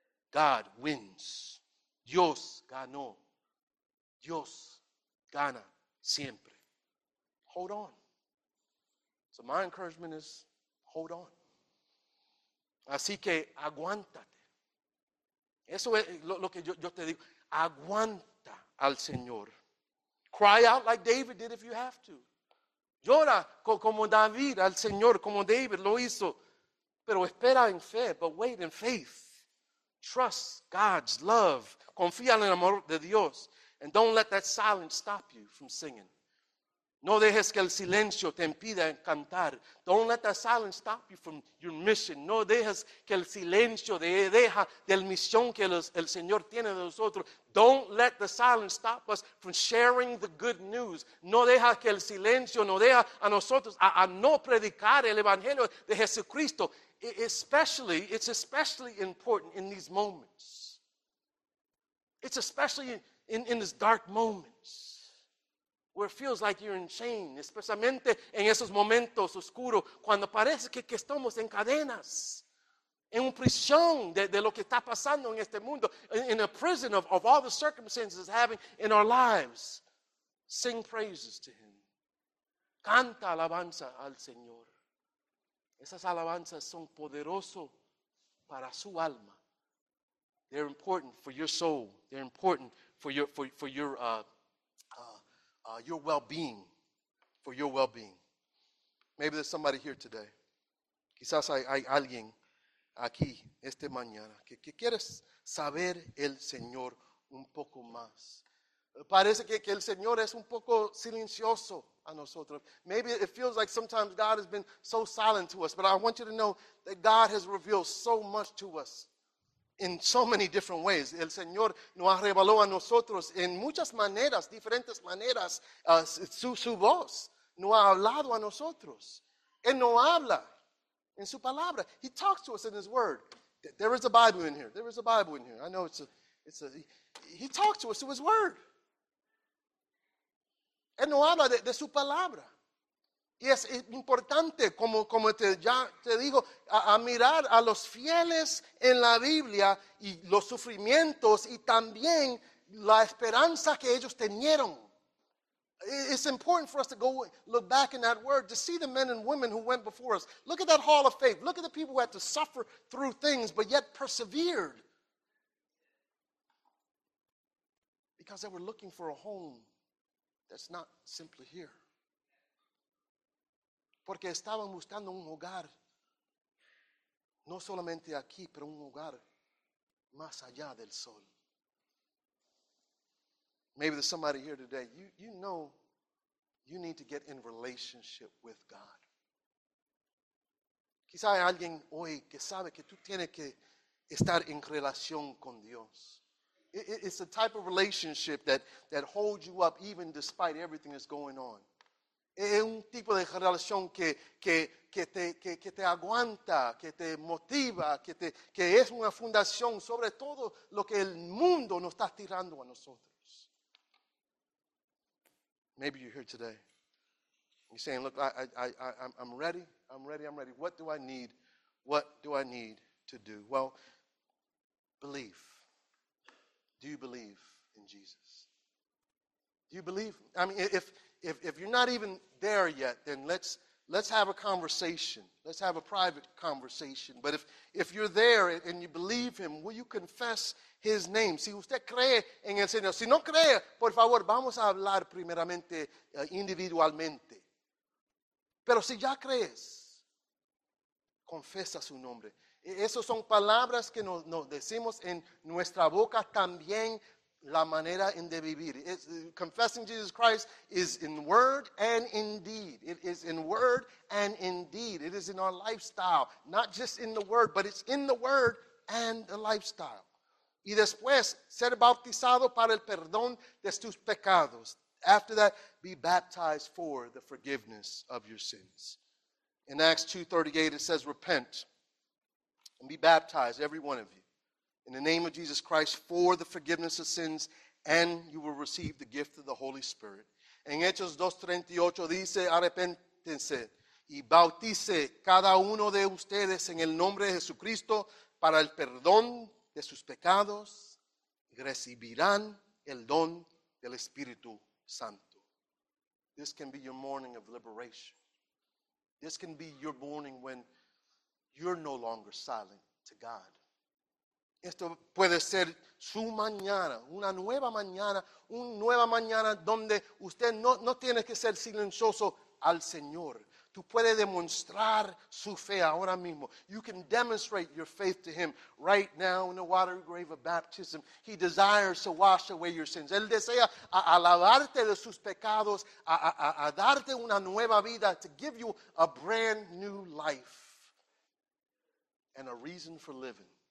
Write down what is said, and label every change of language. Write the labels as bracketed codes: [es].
[en] God wins. [es] Dios ganó. Dios gana siempre. [en] Hold on. So my encouragement is, hold on. [es] Así que aguántate. Eso es lo que yo te digo. Aguanta al Señor. [en] Cry out like David did if you have to. [es] Llora como David al Señor, como David lo hizo. Pero espera en fe, [en] but wait in faith. Trust God's love. [es] Confía en el amor de Dios. [en] And don't let that silence stop you from singing. [es] No dejes que el silencio te impida cantar. [en] Don't let that silence stop you from your mission. [es] No dejes que el silencio te deja del misión que el Señor tiene de nosotros. [en] Don't let the silence stop us from sharing the good news. [es] No deja que el silencio nos deja a nosotros a no predicar el Evangelio de Jesucristo. [en] It's especially important in these moments. It's especially in these dark moments where it feels like you're in chain. [es] Especialmente en esos momentos oscuros cuando parece que estamos en cadenas, en un prisión de lo que está pasando en este mundo, [en] in a prison of all the circumstances having in our lives. Sing praises to Him. [es] Canta alabanza al Señor. Esas alabanzas son poderoso para su alma. [en] They're important for your soul. They're important for your well-being. For your well-being. Maybe there's somebody here today. [es] Quizás hay alguien aquí esta mañana que quiere saber el Señor un poco más. Parece que el Señor es un poco silencioso a nosotros. [en] Maybe it feels like sometimes God has been so silent to us, but I want you to know that God has revealed so much to us in so many different ways. [es] El Señor nos ha revelado a nosotros en muchas maneras, diferentes maneras, su voz. No ha hablado a nosotros. Él no habla en su palabra. [en] He talks to us in his word. There is a Bible in here. There is a Bible in here. I know it's a, he talks to us through his word. [es] Él no habla de su palabra. Y es importante, como ya te digo, a mirar a los fieles en la Biblia y los sufrimientos y también la esperanza que ellos tenieron. [en] It's important for us to go look back in that word to see the men and women who went before us. Look at that hall of faith. Look at the people who had to suffer through things but yet persevered. Because they were looking for a home that's not simply here. [es] Porque estaban buscando un hogar, no solamente aquí, pero un hogar más allá del sol. [en] Maybe there's somebody here today. You know you need to get in relationship with God. [es] Quizá hay alguien hoy que sabe que tú tienes que estar en relación con Dios. [en] It's the type of relationship that holds you up even despite everything that's going on. [es] Es un tipo de relación que te aguanta, que te motiva, que es una fundación sobre todo lo que el mundo nos está tirando a nosotros. [en] Maybe you're here today. You're saying, look, I'm ready. I'm ready. I'm ready. What do I need? What do I need to do? Well, believe. Do you believe in Jesus? Do you believe? I mean, if you're not even there yet, then let's have a conversation. Let's have a private conversation. But if you're there and you believe him, will you confess his name? [es] Si usted cree en el Señor. Si no cree, por favor, vamos a hablar primeramente individualmente. Pero si ya crees, confesa su nombre. Esas son palabras que nos decimos en nuestra boca también. La manera en de vivir. [en] Confessing Jesus Christ is in word and in deed. It is in word and in deed. It is in our lifestyle. Not just in the word, but it's in the word and the lifestyle. [es] Y después, ser bautizado para el perdón de tus pecados. [en] After that, be baptized for the forgiveness of your sins. In Acts 2:38, it says, repent and be baptized, every one of you. In the name of Jesus Christ, for the forgiveness of sins, and you will receive the gift of the Holy Spirit. [es] En Hechos 2:38 dice, arrepéntense y bautice cada uno de ustedes en el nombre de Jesucristo para el perdón de sus pecados, y recibirán el don del Espíritu Santo. [en] This can be your morning of liberation. This can be your morning when you're no longer silent to God. [es] Esto puede ser su mañana, una nueva mañana donde usted no tiene que ser silencioso al Señor. Tú puedes demostrar su fe ahora mismo. [en] You can demonstrate your faith to him right now in the watery grave of baptism. He desires to wash away your sins. [es] Él desea a lavarte de sus pecados, a darte una nueva vida, [en] to give you a brand new life and a reason for living.